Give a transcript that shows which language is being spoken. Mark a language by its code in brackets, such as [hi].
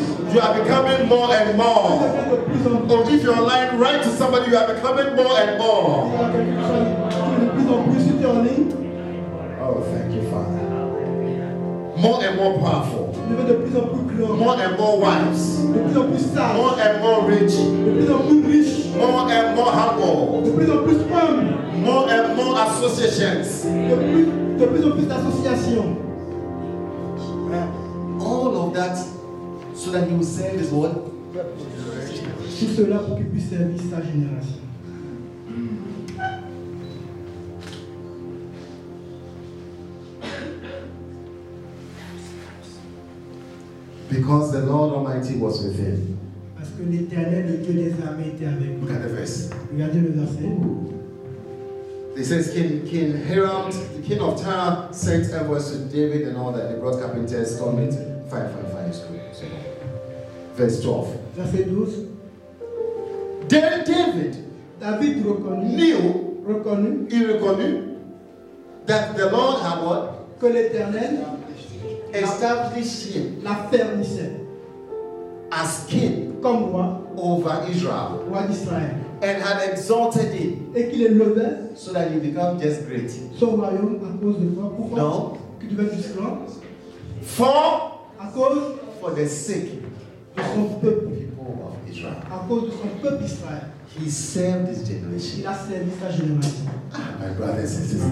[en] You are becoming more and more. Or if you're online, write to somebody, you are becoming more and more. Oh, thank you, Father. More and more powerful. [fr] De plus en plus grand. [en] More and more wives. [fr] De plus en plus sages. [en] More and more rich. [fr] De plus en plus riche. [en] More and more humble. [fr] De plus en plus humble. [en] More and more associations. [fr] De plus en plus d'associations. [en] All of that so that he will send his what? [fr] Tout cela pour qu'il puisse servir sa génération. [en] Because the Lord Almighty was with him. [fr] Parce que l'Éternel, le Dieu des armées, était avec lui. [en] Look at the verse. [fr] Regardez le verset. [en] It says, King Hiram, the king of Tyre, sent envoys to David and all that. They brought carpenters, stonemasons, firefighters. Verse 12. Then David [fr] reconnu [en] that the Lord had what? [fr] Que l'Éternel [en] established [fr] la fermissait [en] as king [fr] comme roi [en] over Israel. [fr] Roi d'Israël. [en] And had exalted him. [fr] Et qu'il est levé. [en] So that he become just great. [fr] Son royaume à cause de quoi? Pourquoi? Non. Qu'il devait être grand. [en] For? [fr] À cause? [en] For the sake. [fr] De son peuple. [en] People of Israel. [fr] À cause de son peuple d'Israël. [en] He served his generation. [fr] Il a servi sa génération. [en] My brothers and sisters.